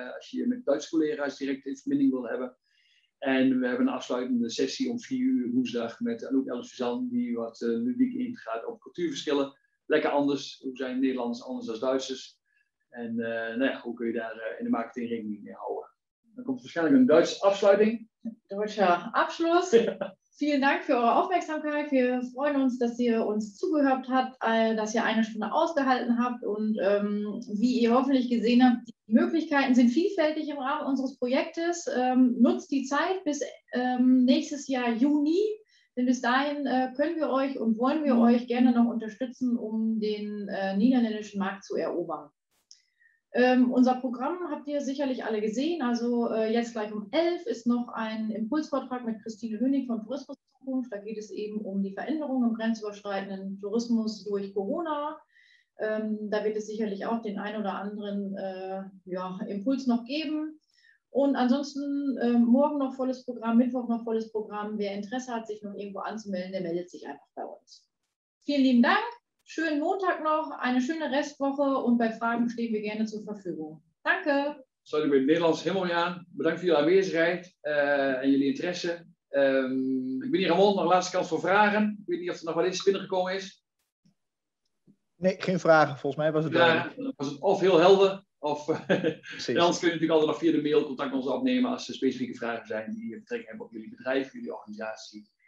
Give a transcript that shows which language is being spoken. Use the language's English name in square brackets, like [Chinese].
[Dutch] Als je met Duitse collega's direct in verbinding wil hebben. En we hebben een afsluitende sessie om 4 uur woensdag met Anouk Ellis-Vizan, die wat ludiek ingaat op cultuurverschillen. Lekker anders. Hoe zijn Nederlanders anders dan Duitsers? En hoe kun je daar in de marketing rekening mee houden? Dan komt waarschijnlijk een Duitse afsluiting. [German] Deutscher Abschluss. Ja. Vielen Dank für eure Aufmerksamkeit. Wir freuen uns, dass ihr uns zugehört habt, dass ihr eine Stunde ausgehalten habt. Und wie ihr hoffentlich gesehen habt, die Möglichkeiten sind vielfältig im Rahmen unseres Projektes. Nutzt die Zeit bis nächstes Jahr Juni. Denn bis dahin können wir euch und wollen wir euch gerne noch unterstützen, um den niederländischen Markt zu erobern. Unser Programm habt ihr sicherlich alle gesehen. Also jetzt gleich um 11 ist noch ein Impulsvortrag mit Christine Höning von Tourismus Zukunft. Da geht es eben um die Veränderungen im grenzüberschreitenden Tourismus durch Corona. Da wird es sicherlich auch den ein oder anderen Impuls noch geben. Und ansonsten morgen noch volles Programm, Mittwoch noch volles Programm. Wer Interesse hat, sich noch irgendwo anzumelden, der meldet sich einfach bei uns. Vielen lieben Dank. Schönen Montag noch, eine schöne Restwoche und bei Fragen stehen wir gerne zur Verfügung. Danke. [Dutch] Sorry, [German] ich bin [Dutch] Nederlands helemaal niet aan. Bedankt voor jullie aanwezigheid en jullie interesse. Ik ben hier Ramon, nog laatste kans voor vragen. Ik weet niet of er nog wel iets binnengekomen is. Nee, geen vragen. Volgens mij was het duidelijk. Ja, was het of heel helder, of... anders kun je natuurlijk altijd nog via de mail contact met ons opnemen als er specifieke vragen zijn die je betrekking hebben op jullie bedrijf, jullie organisatie.